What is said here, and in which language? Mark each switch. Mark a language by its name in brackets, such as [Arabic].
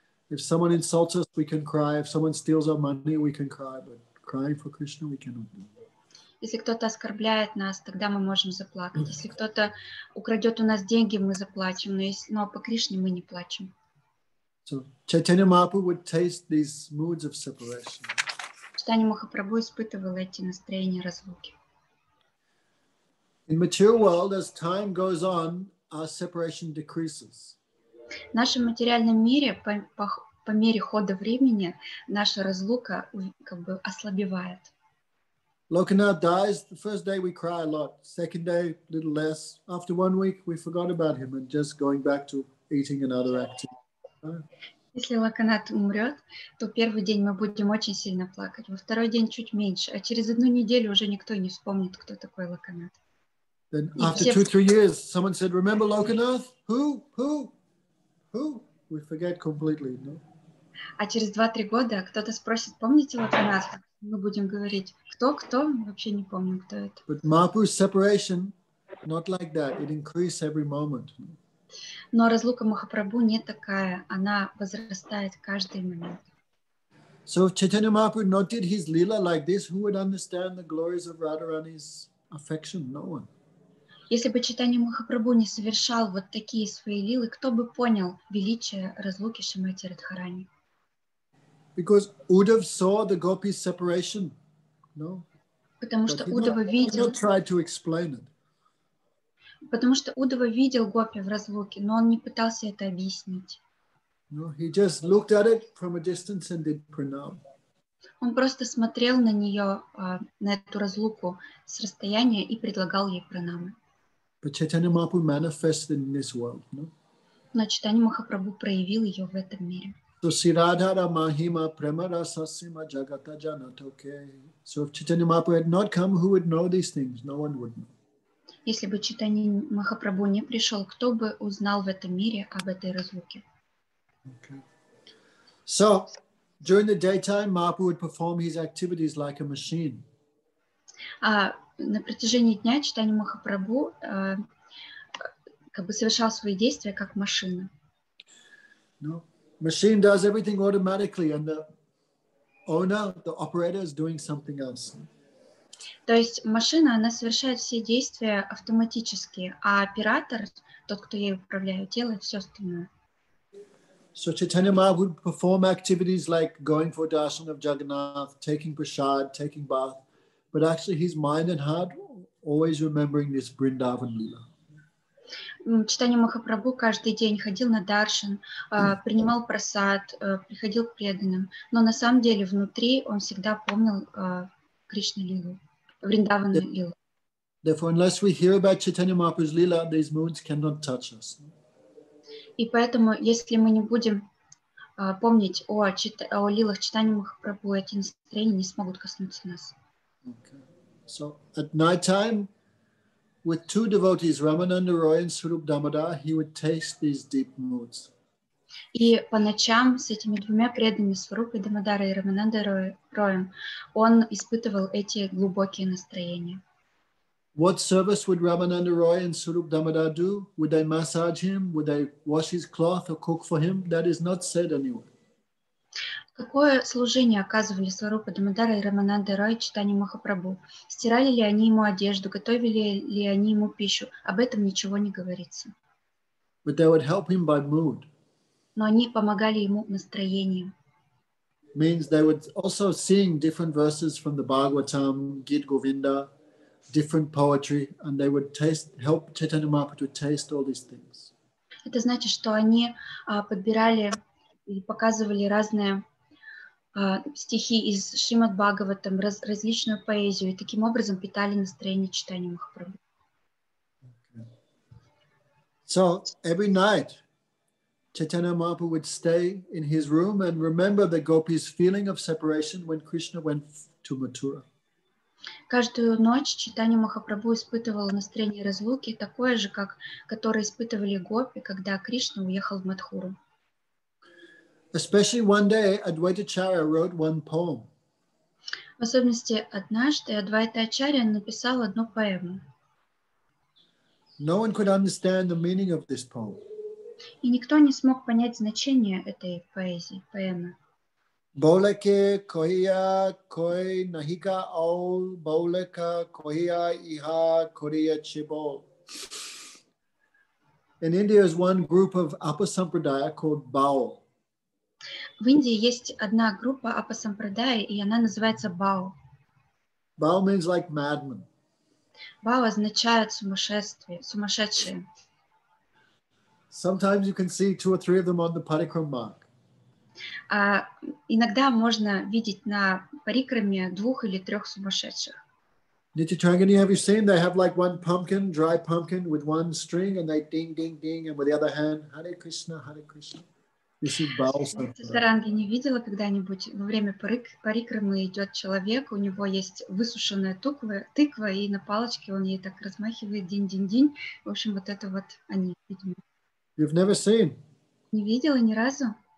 [English] If someone insults us, we can cry. If someone steals our money, we can cry. But crying for Krishna, we cannot do. [Russian] Если кто-то оскорбляет нас, тогда мы можем заплакать. Если кто-то украдет у нас деньги, мы заплачем. Но по Кришне мы не плачем. [English] So Chaitanya Mahaprabhu would taste these moods of separation. [Russian] Чайтанья Махапрабху испытывал эти настроения разлуки. [English] In material world, as time goes on, our separation decreases. [Russian] В нашем материальном мире по мере хода времени наша разлука как бы ослабевает. [English] Lokanath dies. The first day we cry a lot. Second day, a little less. After 1 week, we forgot about him and just going back to eating another activity. [Russian] Если Лаканат умрет, то первый день мы будем очень сильно плакать. Во второй день чуть меньше. А через одну неделю уже никто не вспомнит, кто такой Лаканат. [English] Then after 2-3 years, someone said, "Remember Lokanath? Who? Who? Who?" We forget completely, no? [Russian] А через 2-3 года кто-то спросит, помните Лаканатха? Мы будем говорить, кто-кто, вообще не помню, кто это. [English] But Mahaprabhu's separation, not like that. It increases every moment. [Russian] Но разлука Махапрабху не такая. Она возрастает каждый момент. [English] So if Chaitanya Mahaprabhu not did his lila like this, who would understand the glories of Radharani's affection? No one. [Russian] Если бы Чайтанья Махапрабху не совершал вот такие свои лилы, кто бы понял величие разлуки Шримати Радхарани? [English] Because Uddhava saw the gopi's separation, no? [Russian] Потому что Удава видел. [English] He not tried to explain it. [Russian] Потому что Удава видел гопи в разлуке, но он не пытался это объяснить. [English] No, he just looked at it from a distance and did pranam. [Russian] Он просто смотрел на нее, на эту разлуку с расстояния и предлагал ей пранамы. [English] But Chaitanya Mahaprabhu manifested in this world, no? [Russian] Но Чайтанья Махапрабху проявил ее в этом мире. [Bangla] So Siradhara Mahima Premara Sasima Jagata Janat, okay. [English] So if Chaitanya Mahaprabhu had not come, who would know these things? No one would know. [Russian] Если бы Чайтанья Махапрабху не пришел, кто бы узнал в этом мире об этой разлуке? [English] Okay. So during the daytime, Mahaprabhu would perform his activities like a machine. [Russian] На протяжении дня Чайтанья Махапрабху как бы совершал свои действия как машина. [English] No. Machine does everything automatically, and the owner, the operator, is doing something else. [Russian] То есть машина, она совершает все действия автоматически, а оператор, тот, кто ей управляет, делает все остальное. [English] So Chaitanya Mahaprabhu would perform activities like going for darshan of Jagannath, taking prasad, taking bath, but actually his mind and heart always remembering this Vrindavan Leela. [Russian] Чайтанья Махапрабху каждый день ходил на даршан, принимал прасад, приходил к преданным, но на самом деле внутри он всегда помнил Кришна лилу, Вриндаванную лилу. [English] Therefore, unless we hear about Chaitanya Mahaprabhu's lila, these moods cannot touch us. [Russian] И поэтому, если мы не будем помнить о лилах Чайтанья Махапрабху, эти настроения не смогут коснуться нас. [English] Okay. So at night time, with two devotees, Ramananda Roy and Swarup Damodar, he would taste these deep moods. [Russian] И по ночам с этими двумя преданными Сварупой Дамодарой и Раманандой Роем он испытывал эти глубокие настроения. [English] What service would Ramananda Roy and Swarup Damodar do? Would they massage him? Would they wash his cloth or cook for him? That is not said anywhere. [Russian] Какое служение оказывали Сварупа Дамодара и Рамананда Рой Чайтанья Махапрабху? Стирали ли они ему одежду, готовили ли они ему пищу? Об этом ничего не говорится. [English] But they would help him by mood. [Russian] Но они помогали ему настроением. [English] Means they would also sing different verses from the Bhagavatam, Gita Govinda, different poetry, and they would taste, help Chaitanya Mahaprabhu to taste all these things. [Russian] Это значит, что они подбирали и показывали разные стихи из Шримад Бхагаватам, различную поэзию, и таким образом питали настроение Чайтанья Махапрабху. [English] Okay. So every night Chaitanya Mahaprabhu would stay in his room and remember the gopis' feeling of separation when Krishna went to Mathura. [Russian] Каждую ночь Чайтанья Махапрабху испытывал настроение разлуки, такое же, как которое испытывали гопи, когда Кришна уехал в Матхуру. [English] Especially one day, Advaita Acharya wrote one poem. [Russian] В особенности однажды Адвайта Ачарья написал одну поэму. [English] No one could understand the meaning of this poem. [Russian] И никто не смог понять значение этой поэзии, поэмы. [Bangla] Болеке коя кой нахика ол болека коя иха корея чебол. [English] In India is one group of upper sampradaya called Baul. [Russian] В Индии есть одна группа апасампрадая, и она называется Бао. [English] Бао means like madman. [Russian] Бао означает сумасшествие, сумасшедшие. [English] Sometimes you can see two or three of them on the parikram mark. [Russian] Иногда можно видеть на парикраме двух или трех сумасшедших. [English] Nityatrangini, have you seen? They have like one pumpkin, dry pumpkin with one string and they ding, ding, ding. And with the other hand, Hare Krishna, Hare Krishna. You see bowels. [Russian] Nityatrangini, не видела когда-нибудь во время парикрамы идет человек, у него есть высушенная тыква, и на палочке он ей так размахивает, динь, динь, динь. В общем, вот это вот они. [English] You've never seen? [Russian] Не видела ни разу.